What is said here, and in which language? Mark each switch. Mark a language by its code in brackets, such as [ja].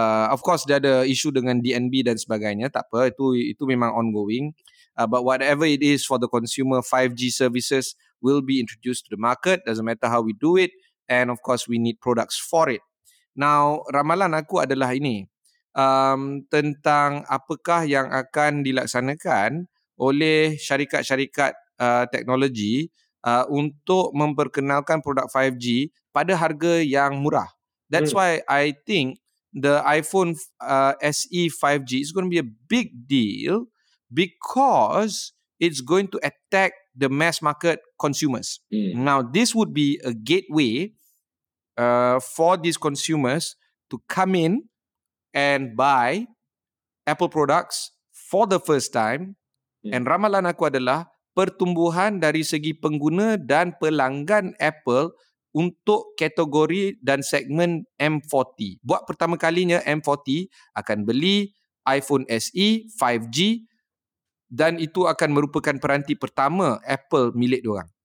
[ms] Of course, dia ada isu dengan DNB dan sebagainya. Tak apa, itu memang ongoing. [en] But whatever it is for the consumer, 5G services will be introduced to the market. Doesn't matter how we do it. And of course, we need products for it. [ms] Now, ramalan aku adalah ini. Tentang apakah yang akan dilaksanakan oleh syarikat-syarikat teknologi untuk memperkenalkan produk 5G pada harga yang murah. [en] That's why I think the iPhone SE 5G is going to be a big deal because it's going to attack the mass market consumers. Mm. Now, this would be a gateway for these consumers to come in and buy Apple products for the first time. Mm. [ms] And ramalan aku adalah pertumbuhan dari segi pengguna dan pelanggan Apple untuk kategori dan segmen M40. Buat pertama kalinya M40 akan beli iPhone SE 5G dan itu akan merupakan peranti pertama Apple milik diorang.